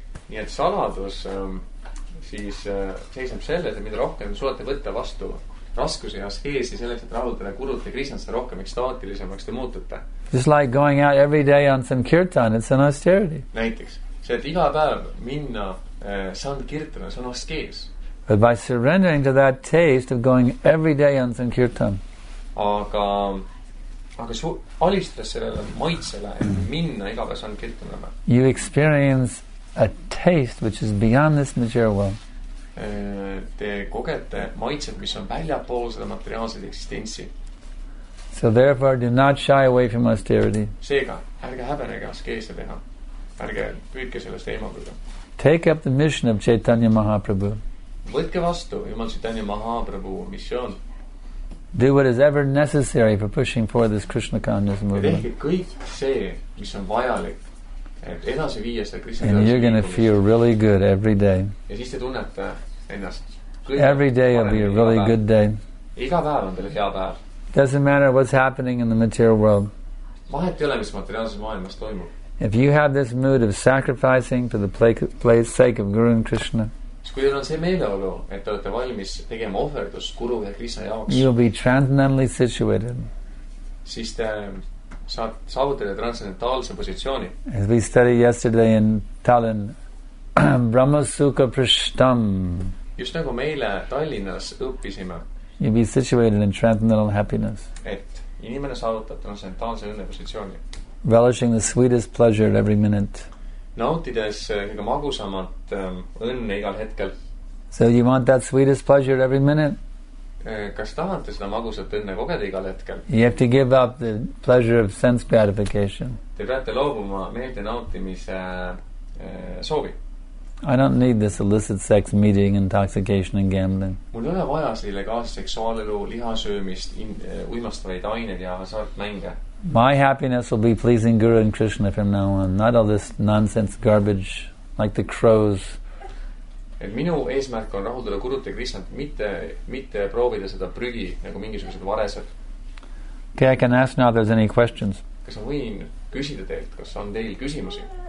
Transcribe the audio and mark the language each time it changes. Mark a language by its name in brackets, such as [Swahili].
[Estonian] Nii et saladus siis seisneb selles, et mida rohkem suudate võtta vastu raskuse ja askeesi selleks, et rahuldada Gurut ja Krishnasse rohkem ekstaatilisemaks te muutute. [English] Just like going out every day on some kirtan, it's an austerity. [Estonian] Näiteks. See, et iga päev minna sankirtana, see on askees. [English] But by surrendering to that taste of going every day on sankirtan. [Estonian] Aga alistades sellele maitsele, et minna iga päev sankirtana. [English] You experience a taste which is beyond this material world. [Estonian] Te kogete maitsed, mis on väljapool seda materiaalset eksistentsi. [English] So therefore do not shy away from austerity. [Estonian] Seega, ärge häbenege askeese teha. Ärge püüdke sellest eemalduda. [English] Take up the mission of Chaitanya Mahaprabhu. [Estonian] Võtke vastu Jumal Chaitanya Mahaprabhu mission. [English] Do what is ever necessary for pushing forward this Krishna consciousness movement. [Estonian] Tehke kõik see, mis on vajalik et edasi viia seda Krishna [English] and you're going to feel really good every day. [Estonian] Ja siis te tunnete ennast [English] every day will be a really good day. [Estonian] Iga päev on teile hea päev. [English] Doesn't matter what's happening in the material world. [Estonian] Vahet ei ole, mis materiaalses maailmas toimub. [English] If you have this mood of sacrificing for the place sake of Guru and Krishna, [Estonian] kui on see meeleolu, et te olete valmis tegema ohverdust Guru ja Krishna jaoks, [English] you'll be transcendentally situated. [Estonian] Siis te saavutate transcendentaalse positsiooni. [English] As we studied yesterday in Tallinn, Brahmasukha Prishtam. [Estonian] Just nagu meile Tallinnas õppisime. [English] You'll be situated in transcendental happiness. [Estonian] Et inimene saavutab transcendentaalse õnnepositsiooni. [English] Relishing the sweetest pleasure at every minute. [Estonian] Nautides kõige magusamat õnne igal hetkel. [English] So you want that sweetest pleasure every minute? [Estonian] Kas tahate seda magusat õnne kogeda igal hetkel? [English] You have to give up the pleasure of sense gratification. [Estonian] Te peate loobuma meelde nautimise soovi. [English] I don't need this illicit sex meeting, intoxication and gambling. [Estonian] Mul ole vaja selle kaas seksuaalelu, lihasöömist, uimastavaid ained ja saart mänge. [English] My happiness will be pleasing Guru and Krishna from now on, not all this nonsense garbage like the crows. [Estonian] Et minu eesmärk on rahuldada Gurut ja Krishnat, mitte proovida seda prügi nagu mingisugused varesed. [English] Okay, I can ask now if there's any questions. [Estonian] Kas ma võin küsida teilt, kas on teil küsimusi?